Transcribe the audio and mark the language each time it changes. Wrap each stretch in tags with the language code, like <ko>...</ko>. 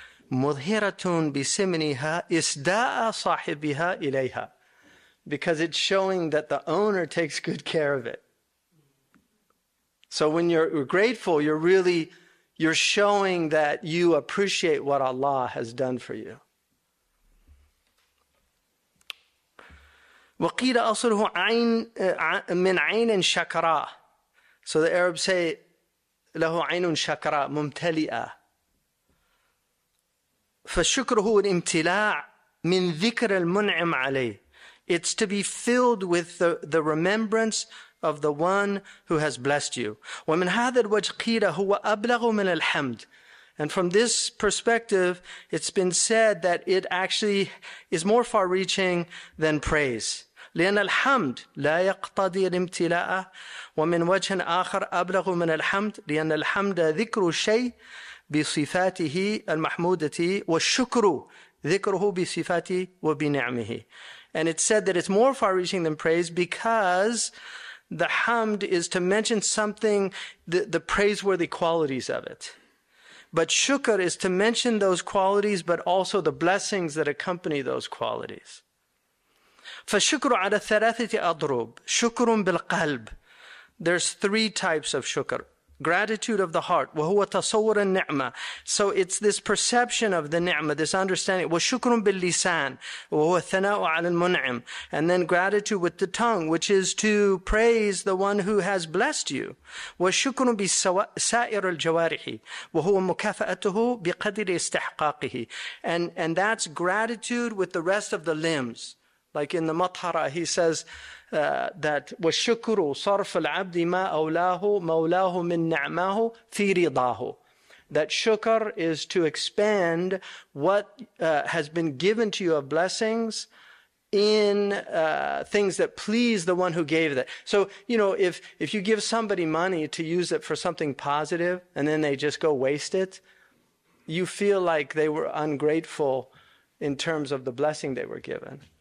<ar>مظهرة بسمنها إسداء صاحبها إليها.</ar> <en>Because it's showing that the owner takes good care of it. So when you're grateful, you're really you're showing that you appreciate what Allah has done for you.</en> <ar>وقيل أصله عين من عين شكرا.</ar> <en>So the Arabs say</en> <ar>له عين شكرا ممتلئة. فالشكر هو الامتلاء من ذكر المنعم عليه.</ar> <en>It's to be filled with the remembrance of the one who has blessed you.</en> <ar>ومن هذا الوجه قيل هو أبلغ من الحمد.</ar> <en>And from this perspective, it's been said that it actually is more far-reaching than praise.</en> <ar>لأن الحمد لا يقتضي الامتلاء ومن وجه آخر أبلغ من الحمد لأن الحمد ذكر شيء بصفاته المحمودة والشكر ذكره بصفاته وبنعمه.</ar> <en>And it's said that it's more far-reaching than praise because the hamd is to mention something, the praiseworthy qualities of it. But shukr is to mention those qualities, but also the blessings that accompany those qualities.</en> <ar>فَالشُكْرُ عَلَى ثَلَاثَةِ أَضْرُبُ شُكْرٌ بِالْقَلْبِ.</ar> <en>There's three types of shukr. Gratitude of the heart.</en> <ar>وَهُوَ تَصَوُّرَ النِّعْمَةِ.</ar> <en>So it's this perception of the ni'mah, this understanding.</en> <ar>وَشُكْرٌ بِاللِّسَانِ. وَهُوَ الثَّنَاءُ عَلَى الْمُنْعِمِ.</ar> <en>And then gratitude with the tongue, which is to praise the one who has blessed you.</en> <ar>وَشُكْرٌ بِسَائِرِ الْجَوَارِحِ. وَهُوَ مُكَافَأَتُهُ بِقَدْرِ اسْتِحْقَاقِهِ.</ar> <en>And that's gratitude with the rest of the limbs. Like in the Mathara, he says, that</en> <ar>وَالشُّكْرُ صَرْفُ الْعَبْدِ مَا أَوْلَاهُ مَوْلَاهُ مِنْ نَعْمَاهُ فِي رِضَاهُ.</ar> <en>That shukr is to expand what has been given to you of blessings in things that please the one who gave that. So, if you give somebody money to use it for something positive and then they just go waste it, you feel like they were ungrateful in terms of the blessing they were given.</en>